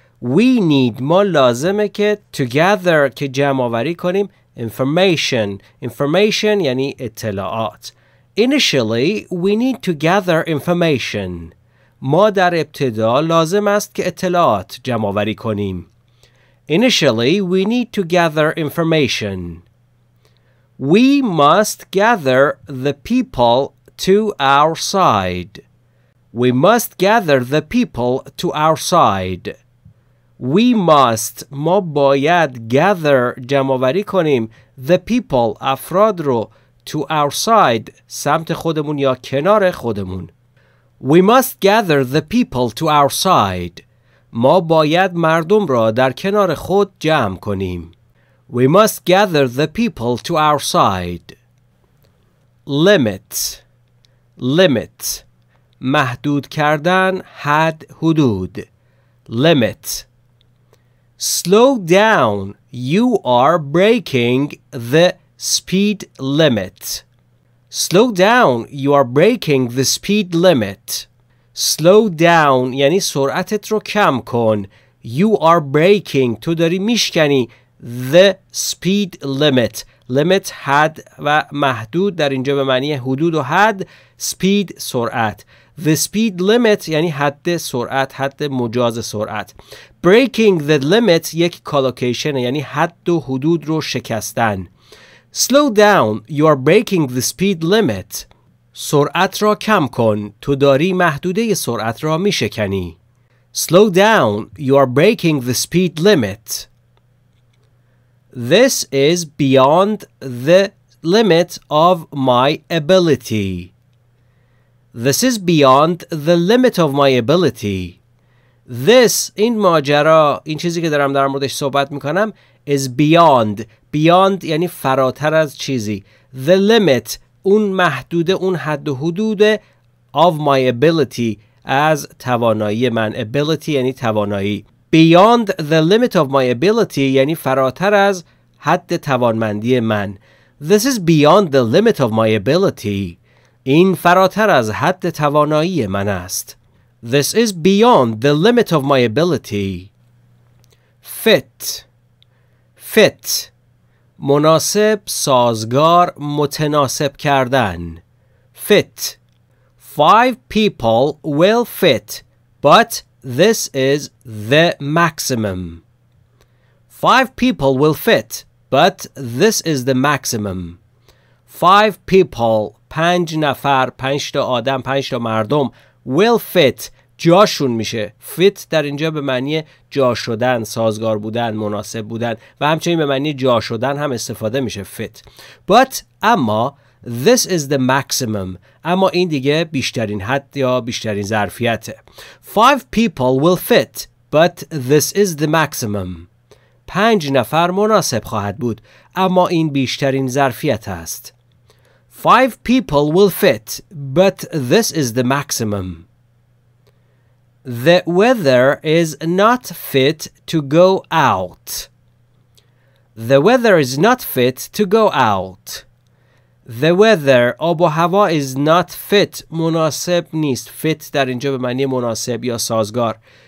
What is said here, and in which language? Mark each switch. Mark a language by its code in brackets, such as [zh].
[en] We need, [fa] ما لازمه که [en] to gather, [fa] که جمع آوری کنیم, [en] information. Information [fa] یعنی اطلاعات. [en] Initially, we need to gather information. [fa] ما در ابتدا لازم است که اطلاعات جمع آوری کنیم. [en] Initially, we need to gather information. We must gather the people to our side. We must gather the people to our side. We must, [fa] ما باید [en] gather, [fa] جمع‌آوری کنیم, [en] the people, [fa] افراد رو, [en] to our side, [fa] سمت خودمون یا کنار خودمون. [en] We must gather the people to our side. [fa] ما باید مردم را در کنار خود جمع کنیم. [en] We must gather the people to our side. [fa] Limit. محدود کردن، حد، حدود. Limit. [en] Slow down. You are breaking the speed limit. Slow down. You are breaking the speed limit. Slow down. [fa] یعنی سرعتت رو کم کن. [en] You are breaking. [fa] تو داری میشکنی. [en] The speed limit. [fa] Limit, حد و محدود. در اینجا به معنی حدود و حد. Speed, سرعت. [en] The speed limit [fa] یعنی حد سرعت. حد مجاز سرعت. [en] Breaking the limit [fa] یک collocation یعنی حد و حدود رو شکستن. [en] Slow down. You are breaking the speed limit. [fa] سرعت را کم کن. تو داری محدوده سرعت را می شکنی. [en] Slow down. You are breaking the speed limit. This is beyond the limit of my ability. This is beyond the limit of my ability. This, [fa] این ماجرا, این چیزی که دارم در موردش صحبت میکنم, [en] is beyond. [fa] Beyond یعنی فراتر از چیزی. [en] The limit, [fa] اون محدوده, اون حد و حدود [en] of my ability, [fa] از توانایی من. Ability یعنی توانایی. [en] Beyond the limit of my ability [fa] یعنی فراتر از حد توانمندی من. [en] This is beyond the limit of my ability. [fa] این فراتر از حد توانایی من است. [en] This is beyond the limit of my ability. Fit. [fa] مناسب، سازگار، متناسب کردن. Fit. [en] Five people will fit, but this is the maximum. Five people will fit, but this is the maximum. Five people, [fa] پنج نفر، پنج تا آدم، پنج تا مردم, [en] will fit, [fa] جاشون میشه. Fit در اینجا به معنی جا شدن، سازگار بودن، مناسب بودن و همچنین به معنی جا شدن هم استفاده میشه fit. [en] But [fa] اما [en] this is the maximum. [fa] اما این دیگه بیشترین حد یا بیشترین ظرفیته. [en] Five people will fit, but this is the maximum. [fa] پنج نفر مناسب خواهد بود، اما این بیشترین ظرفیت است. [en] Five people will fit, but this is the maximum. The weather is not fit to go out. The weather is not fit to go out. The weather, [fa] آب و هوا, [en] is not fit, [fa] مناسب نیست. Fit در اینجا به معنی مناسب یا سازگار.